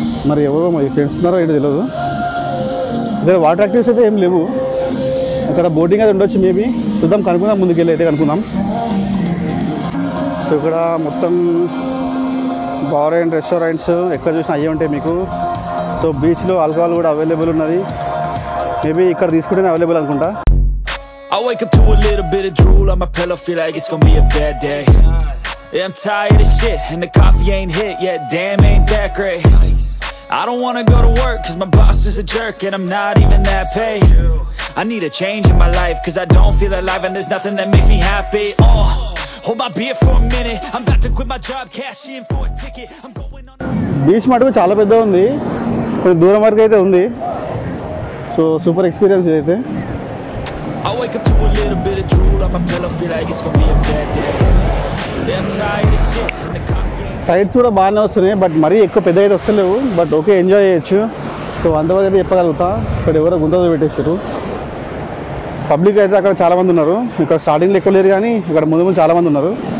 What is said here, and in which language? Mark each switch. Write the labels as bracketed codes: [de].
[te] మరి ఎవరో మరి ఫ్రెండ్స్ ఉన్నారో ఏంటో తెలియదు. ఇక్కడ వాటర్ యాక్టివిటీస్ అయితే ఏం లేవు, ఇక్కడ బోటింగ్ అయితే ఉండొచ్చు మేబీ, చూద్దాం కనుక్కుందాం ముందుకెళ్ళి అయితే కనుక్కుందాం. సో ఇక్కడ మొత్తం బార్ అండ్ రెస్టారెంట్స్ ఎక్కడ చూసినా అయ్యి ఉంటాయి మీకు. సో బీచ్లో ఆల్కహాల్ కూడా అవైలబుల్ ఉన్నది, మేబీ ఇక్కడ తీసుకుంటేనే అవైలబుల్ అనుకుంటా. [en] I wake up to a little bit of drool on my pillow, feel like it's gonna be a bad day. Yeah, I'm tired of shit and the coffee ain't hit yet, damn ain't that great. I don't wanna go to work cause my boss is a jerk and I'm not even that paid. I need a change in my life cause I don't feel alive and there's nothing that makes me happy. Oh, hold my beer for a minute, I'm about to quit my job, cash in for a ticket. I'm going on. [te] Beach మాటకు చాలా పెద్ద ఉంది, కొంచెం దూరం వరకు అయితే ఉంది. So super experience ఇదైతే. [en] I wake up to a little bit of drool on my pillow, feel like it's gonna be a bad day. [te] Sides కూడా బాగానే వస్తున్నాయి, బట్ మరీ ఎక్కువ పెద్ద అయితే వస్తలేవు, బట్ ఓకే ఎంజాయ్ చేయొచ్చు. సో అందువల్ల అయితే చెప్పగలుగుతా, ఇక్కడ ఎవరో గుంతలు పెట్టేశారు. పబ్లిక్ అయితే అక్కడ చాలామంది ఉన్నారు, ఇక్కడ స్టార్టింగ్లో ఎక్కువ లేరు కానీ ఇక్కడ ముందు ముందు చాలామంది ఉన్నారు.